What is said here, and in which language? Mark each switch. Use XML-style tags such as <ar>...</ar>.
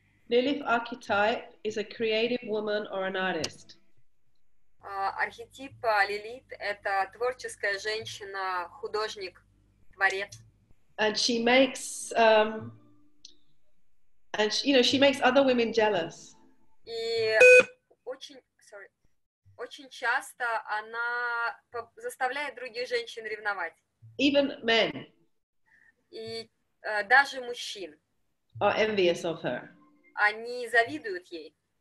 <en>Lilith archetype is a creative woman or an artist.</en> <ru>Архетип Лилит – это творческая женщина, художник, творец.</ru> <en>And she makes, and she, you know, she makes other women jealous.</en> <ru>И очень часто она заставляет других женщин ревновать.</ru> <en>Even men.</en> <ru>И даже мужчин.</ru> <en>Are envious of her.</en> <ru>Они завидуют ей.</ru>